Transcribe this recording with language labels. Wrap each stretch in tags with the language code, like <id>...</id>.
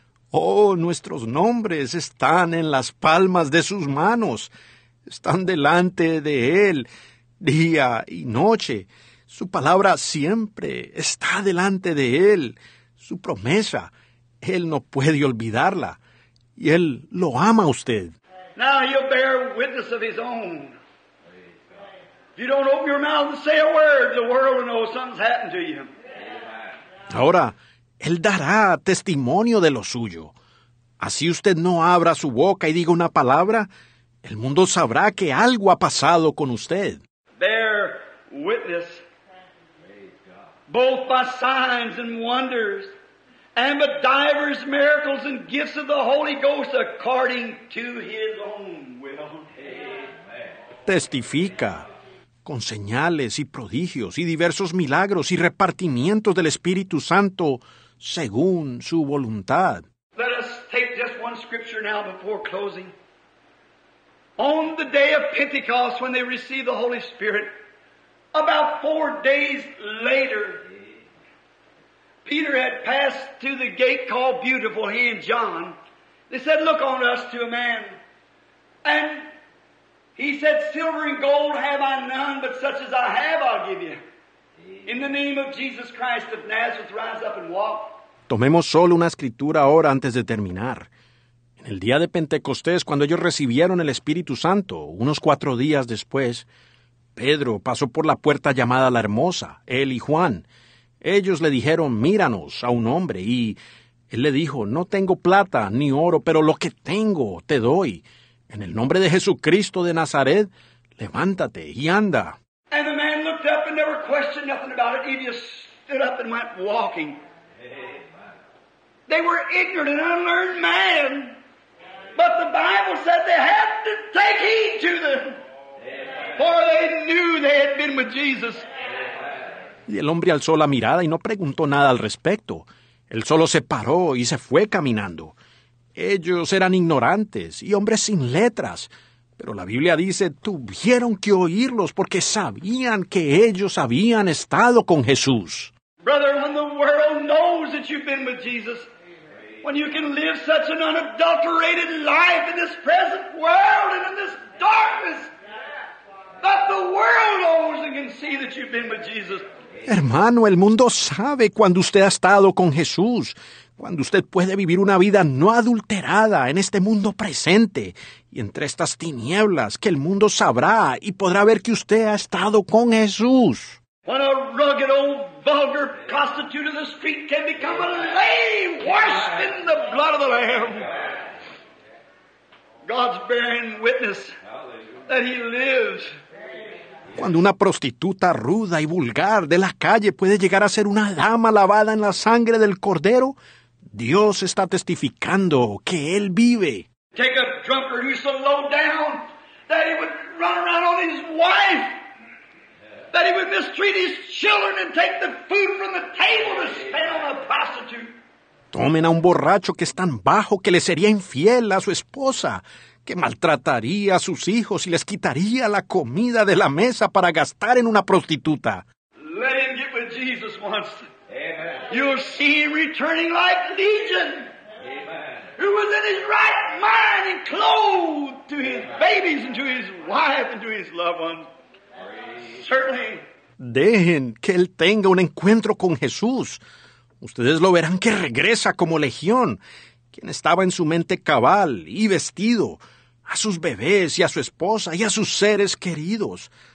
<es>Oh, nuestros nombres están en las palmas de sus manos. Están delante de él, día y noche. Su palabra siempre está delante de él. Su promesa, él no puede olvidarla. Y él lo ama a usted.</es> <en>Now he'll bear witness of his own. If you don't open your mouth and say a word, the world will know something's happened to you.</en> <es>Ahora, él dará testimonio de lo suyo. Así usted no abra su boca y diga una palabra, el mundo sabrá que algo ha pasado con usted.</es> <en>Bear witness both by signs and wonders and by divers miracles and gifts of the Holy Ghost according to his own will.</en> <es>Testifica con señales y prodigios y diversos milagros y repartimientos del Espíritu Santo según su voluntad.</es> <en>Let us take just one scripture now before closing. On the day of Pentecost, when they received the Holy Spirit, about 4 days later, Peter had passed to the gate called Beautiful, he and John. They said, look on us to a man. And he said, silver and gold have I none, but such as I have I'll give you. In the name of Jesus Christ of Nazareth, rise up and walk.</en> <es>Tomemos solo una escritura ahora antes de terminar. En el día de Pentecostés, cuando ellos recibieron el Espíritu Santo, unos 4 días después, Pedro pasó por la puerta llamada La Hermosa, él y Juan. Ellos le dijeron, míranos a un hombre, y él le dijo, no tengo plata ni oro, pero lo que tengo te doy. En el nombre de Jesucristo de Nazaret, levántate y anda.</es> <en>And the man looked up and never questioned nothing about it. He just stood up and went walking. They were ignorant and unlearned men, but the Bible said they had to take heed to them, for they knew they had been with Jesus.</en> <es>Y el hombre alzó la mirada y no preguntó nada al respecto. Él solo se paró y se fue caminando. Ellos eran ignorantes y hombres sin letras, pero la Biblia dice, tuvieron que oírlos porque sabían que ellos habían estado con Jesús.</es> <en>Brother, when the world knows that you've been with Jesus, when you can live such an unadulterated life in this present world and in this darkness, that the world knows and can see that you've been with Jesus.</en> <es>Hermano, el mundo sabe cuando usted ha estado con Jesús, cuando usted puede vivir una vida no adulterada en este mundo presente y entre estas tinieblas, que el mundo sabrá y podrá ver que usted ha estado con Jesús.</es> <en>When a rugged old vulgar prostitute of the street can become a lamb washed in the blood of the Lamb. God's bearing witness that he lives.</en> <es>Cuando una prostituta ruda y vulgar de la calle puede llegar a ser una dama lavada en la sangre del Cordero, Dios está testificando que él vive.</es> <en>Take a drunkard who's so low down that he would run around on his wife. That he would mistreat his children and take the food from the table to spend on a prostitute.</en> <es>Tomen a un borracho que es tan bajo que le sería infiel a su esposa, que maltrataría a sus hijos y les quitaría la comida de la mesa para gastar en una prostituta.</es> <en>Let him get with Jesus once. Amen. You'll see him returning like Legion. Amen. Who was in his right mind and clothed to his babies and to his wife and to his loved ones.</en> <es>Dejen que él tenga un encuentro con Jesús. Ustedes lo verán que regresa como legión, quien estaba en su mente cabal y vestido, a sus bebés y a su esposa y a sus seres queridos.</es>